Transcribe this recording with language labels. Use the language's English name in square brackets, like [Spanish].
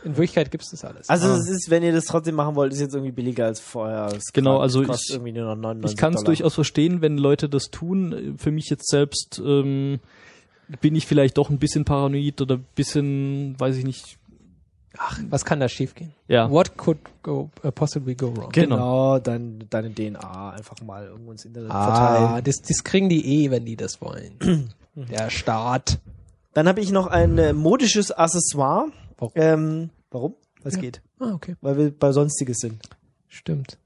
[German] In Wirklichkeit gibt es das alles. Also es ist, wenn ihr das trotzdem machen wollt, ist jetzt irgendwie billiger als vorher. Kostet irgendwie nur noch 99 Ich kann es durchaus verstehen, wenn Leute das tun. Für mich jetzt selbst bin ich vielleicht doch ein bisschen paranoid oder ein bisschen, weiß ich nicht. Ach, was kann da schief gehen? Ja. [English] What could possibly go wrong? [German] Genau, deine DNA einfach mal irgendwo ins Internet verteilen. Das kriegen die eh, wenn die das wollen. Der Staat. Dann habe ich noch ein modisches Accessoire. Warum? Geht. Ah, okay. Weil wir bei Sonstiges sind. Stimmt.